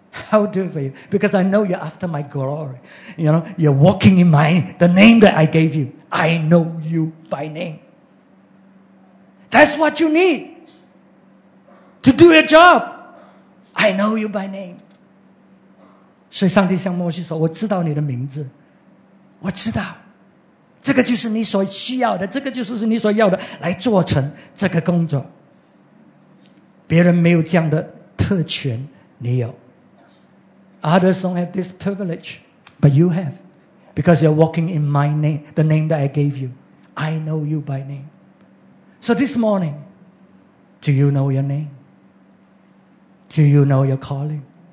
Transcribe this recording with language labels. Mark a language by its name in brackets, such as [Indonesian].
[English] I'll do it for you because I know you're after my glory. You know, you're walking in my the name that I gave you. I know you by name. That's what you need to do your job. I know you by name." [Chinese] 所以上帝向摩西说：“我知道你的名字，我知道，这个就是你所需要的，这个就是你所要的，来做成这个工作。别人没有这样的特权，你有。 [English] Others don't have this privilege, but you have, because you're walking in my name, the name that I gave you. I know you by name. So this morning, do you know your name? Do you know your calling?"